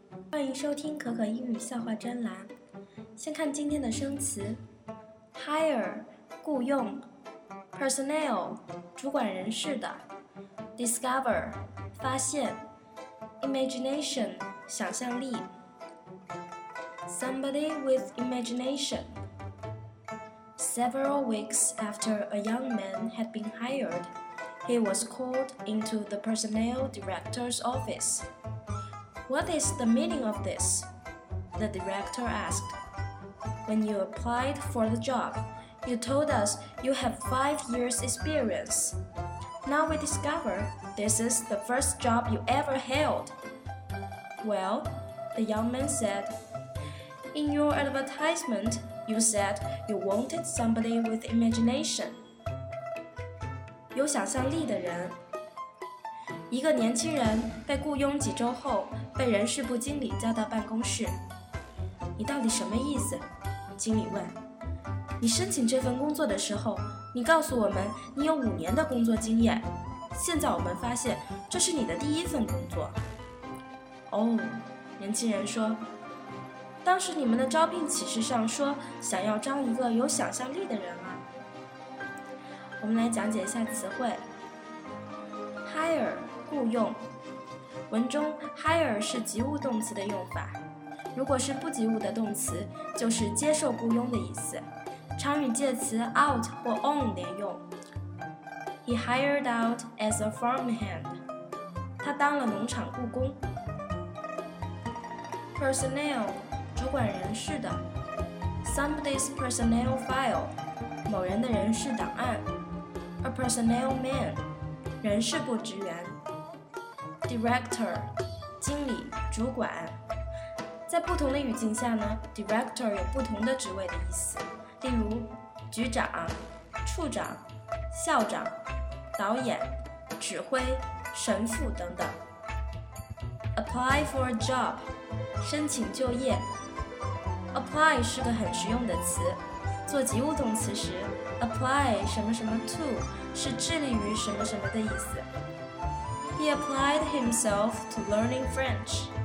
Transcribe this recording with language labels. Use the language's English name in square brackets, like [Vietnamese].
[Chinese] 欢迎收听可可英语笑话专栏。先看今天的生词 ：hire， 雇用 ；personnel， 主管人士的 ；discover， 发现 ；imagination， 想象力 ； [English] somebody with imagination。 Several weeks after a young man had been hired, he was called into the personnel director's office. What is the meaning of this? The director asked. When you applied for the job, you told us you have 5 years' experience. Now we discover this is the first job you ever held. Well, the young man said, In your advertisement, you said you wanted somebody with imagination. [Chinese] 有想象力的人。一个年轻人被雇佣几周后被人事部经理叫到办公室。你到底什么意思？经理问。你申请这份工作的时候，你告诉我们你有5年的工作经验。现在我们发现这是你的第一份工作。哦，年轻人说。当时你们的招聘启事上说想要招一个有想象力的人啊。我们来讲解一下词汇。Hire, 雇用。文中 hire 是及物动词的用法，如果是不及物的动词，就是接受雇佣的意思。常与介词 out 或 on 连用。 [English] He hired out as a farmhand. [Chinese] 他当了农场雇工。 Personnel, 主管人事的。 [English] Somebody's personnel file, [Chinese] 某人的人事档案。 [English] A personnel man, [Chinese] 人事部职员。 Director, 经理、主管，在不同的语境下呢 ，director 有不同的职位的意思。例如，局长、处长、校长、导演、指挥、神父等等。 [English] Apply for a job, [Chinese] 申请就业。 Apply 是个很实用的词，做及物动词时 ，apply 什么什么 to 是致力于什么什么的意思。 [English] He applied himself to learning French.